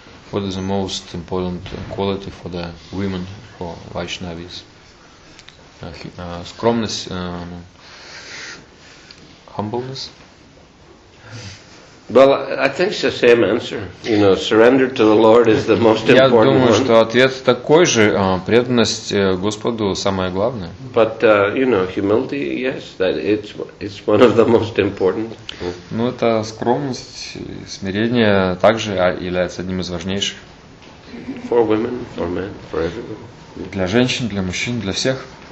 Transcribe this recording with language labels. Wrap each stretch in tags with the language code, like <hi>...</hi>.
<en>What is the most important quality for the women for Vaishnavis?</en> <ru>Скромность,</ru> <en>humbleness. Well, I think it's the same answer. You know, surrender to the Lord is the most important one.</en> <ru>Я думаю, что ответ такой же. Преданность Господу самое главное.</ru> <en>But you know, humility, yes, that it's one of the most important.</en> <ru>Ну это скромность, смирение также является одним из важнейших.</ru> <en>For women, for men, for everyone.</en> <ru>Для женщин, для мужчин, для всех.</ru>